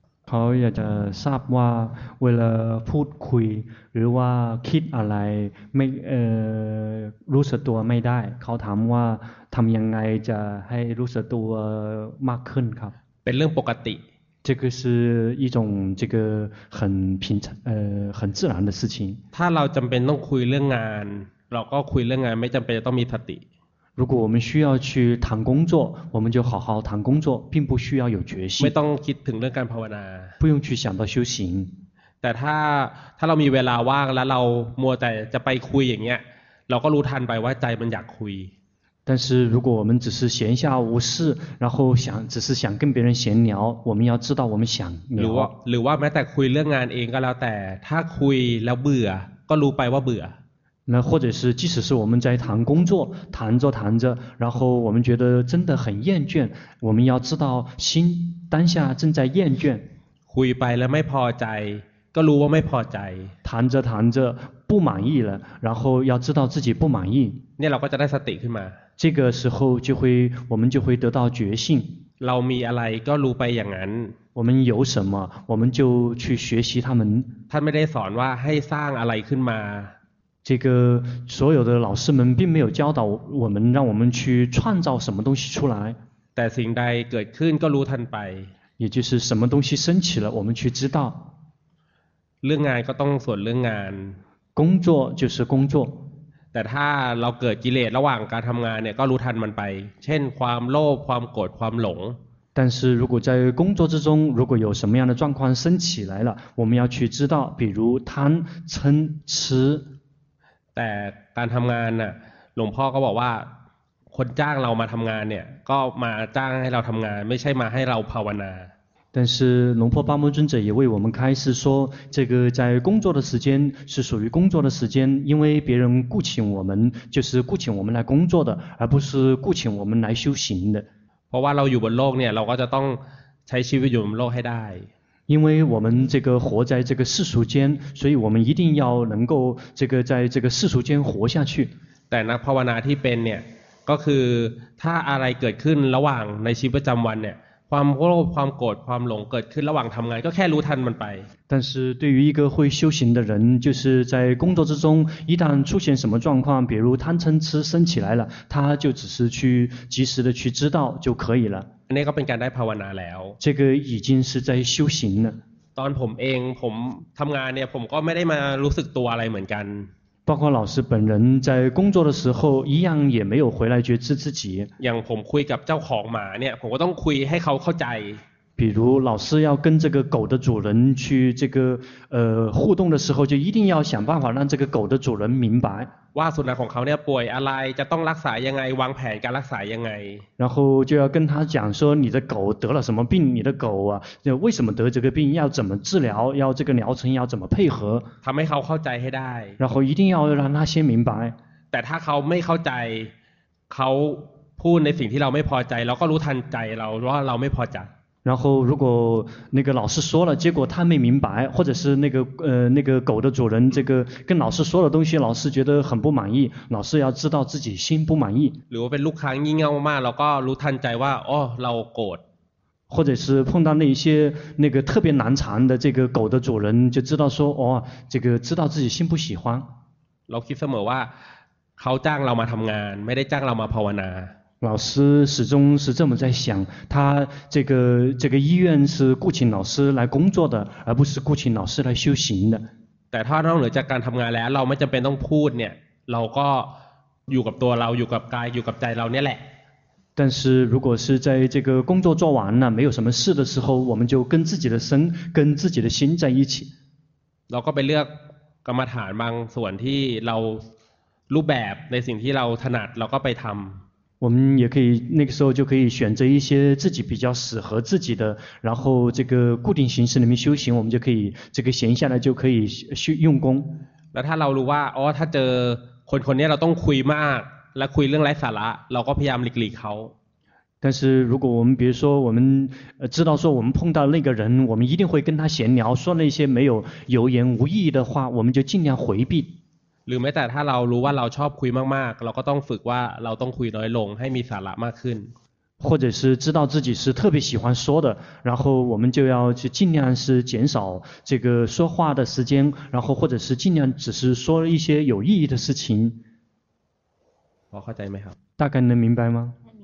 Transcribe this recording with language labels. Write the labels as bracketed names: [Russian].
[Thai] เขาอยากจะทราบว่าเวลาพูดคุยหรือว่าคิดอะไรไม่รู้สึกตัวไม่ได้เขาถามว่าทำยังไงจะให้รู้สึกตัวมากขึ้นครับ เป็นเรื่องปกติ [Chinese] 这个是一种这个很平常很自然的事情 [Thai] ถ้าเราจำเป็นต้องคุยเรื่องงานเราก็คุยเรื่องงานไม่จำเป็นต้องมีสติ [Chinese] 如果我们需要去谈工作我们就好好谈工作并不需要有决心 [Thai] ไม่ต้องคิดถึงเรื่องการภาวนา [Chinese] 不用去想到修行 [Thai] แต่ถ้าเรามีเวลาว่างแล้วเรามัวแต่จะไปคุยอย่างเงี้ยเราก็รู้ทันไปว่าใจมันอยากคุย [Chinese] 但是如果我们只是闲下无事然后想只是想跟别人闲聊我们要知道我们想聊 [Thai] หรือว่าแม้แต่คุยเรื่องงานเองก็แล้วแต่ถ้าคุยแล้วเบื่อก็รู้ไปว่าเบื่อ [Chinese] 那或者是即使是我们在谈工作谈着谈着然后我们觉得真的很厌倦我们要知道心当下正在厌倦 [Thai] คุยไปแล้วไม่พอใจก็รู้ว่าไม่พอใจ [Chinese] 谈着谈着不满意了然后要知道自己不满意 [Thai] เนี่ยเราก็จะได้สติขึ้นมา [Chinese] 这个时候就会我们就会得到觉性 [Thai] เรามีอะไรก็รู้ไปอย่างนั้น [Chinese] 我们有什么我们就去学习他们 [Thai] ท่านไม่ได้สอนว่าให้สร้างอะไรขึ้นมา [Chinese] 这个所有的老师们并没有教导我们让我们去创造什么东西出来 [Thai] แต่สิ่งใดเกิดขึ้นก็รู้ทันไป [Chinese] 也就是什么东西升起了我们去知道 [Thai] เรื่องงานก็ต้องส่วนเรื่องงาน [Chinese] 工作就是工作 [Thai] แต่ถ้าเราเกิดกิเลสระหว่างการทำงานเนี่ยก็รู้ทันมันไปเช่นความโลภความโกรธความหลง [Chinese] 但是如果在工作之中如果有什么样的状况升起来了我们要去知道比如贪嗔痴 [Thai] แต่การทำงานน่ะหลวงพ่อก็บอกว่าคนจ้างเรามาทำงานเนี่ยก็มาจ้างให้เราทำงานไม่ใช่มาให้เราภาวนา [Chinese] 但是龙婆巴木尊者也为我们开示说这个在工作的时间是属于工作的时间因为别人雇请我们就是雇请我们来工作的而不是雇请我们来修行的 [Thai] เพราะว่าเราอยู่บนโลกเนี่ยเราก็จะต้องใช้ชีวิตอยู่บนโลกให้ได้ [Chinese] 因为我们这个活在这个世俗间所以我们一定要能够这个在这个世俗间活下去 [Thai] แต่นักภาวนาที่เป็นเนี่ยก็็คือถ้าอะไรเกิดขึ้นระหว่างในชีวิตประจำวันเนี่ยความโลภความโกรธความหลงเกิดขึ้นระหว่างทำงานก็แค่รู้ทันมันไป [Chinese] 但是对于一个会修行的人，就是在工作之中，一旦出现什么状况，比如贪嗔痴升起来了，他就只是去及时的去知道就可以了。那个 [Thai] เป็นการได้ภาวนาแล้ว [Chinese] 这个已经是在修行了。 [Thai] ตอนผมเองผมทำงานเนี่ยผมก็ไม่ได้มารู้สึกตัวอะไรเหมือนกัน [Chinese] 包括老师本人在工作的时候一样也没有回来觉知自己 [Thai] อย่างผมคุยกับเจ้าของหมาเนี่ยผมก็ต้องคุยให้เขาเข้าใจ [Chinese] 比如老师要跟这个狗的主人去这个互动的时候就一定要想办法让这个狗的主人明白 [Thai] ว่าสุนัขของเขาเนี่ยป่วยอะไรจะต้องรักษายังไงวางแผนการรักษายังไง [Chinese] 然后就要跟他讲说你的狗得了什么病你的狗啊为什么得这个病要怎么治疗要这个疗程要怎么配合 [Thai] ทำให้เขาเข้าใจให้ได้ [Chinese] 然后一定要让他先明白 [Thai] แต่ถ้าเขาไม่เข้าใจเขาพูดในสิ่งที่เราไม่พอใจเราก็รู้ทันใจเราว่าเราไม่พอใจ [Chinese] 然后如果那个老师说了结果他没明白或者是那个狗的主人这个跟老师说的东西老师觉得很不满意老师要知道自己心不满意 [Thai] หรือว่าเป็นลูกค้างี่เง่ามากเราก็รู้ทันใจว่าอ๋อเราโกรธ [Chinese] 或者是碰到那些那个特别难缠的这个狗的主人就知道说哦这个知道自己心不喜欢 [Thai] เราคิดเสมอว่าเขาจ้างเรามาทำงานไม่ได้จ้างเรามาภาวนา [Chinese] 老师始终是这么在想他这个医院是雇请老师来工作的而不是雇请老师来修行的 [Thai] แต่ถ้านอกเหนือจากการทำงานแล้วเราไม่จำเป็นต้องพูดเนี่ยเราก็อยู่กับตัวเราอยู่กับกายอยู่กับใจเราเนี่ยแหละ [Chinese] 但是如果是在这个工作做完了没有什么事的时候我们就跟自己的身跟自己的心在一起 [Thai] เราก็ไปเลือกกรรมฐานบางส่วนที่เรารูปแบบในสิ่งที่เราถนัดเราก็ไปทำ [Chinese] 我们也可以那个时候就可以选择一些自己比较适合自己的然后这个固定形式里面修行我们就可以这个闲下来就可以去用功那他老如哇哦他这 [Thai] คนคนนี้เราต้องคุยมากและคุยเรื่องไร้สาระเราก็พยายามหลีกหลีกเขา [Chinese] 但是如果我们比如说我们知道说我们碰到那个人我们一定会跟他闲聊说那些没有有言无意义的话我们就尽量回避 [Thai] หรือแม้แต่ถ้าเรารู้ว่าเราชอบคุยมากๆเราก็ต้องฝึกว่าเราต้องคุยน้อยลงให้มีสาระมากขึ้น [Chinese] 或者是知道自己是特别喜欢说的然后我们就要去尽量是减少这个说话的时间然后或者是尽量只是说一些有意义的事情我好在没好大概能明白吗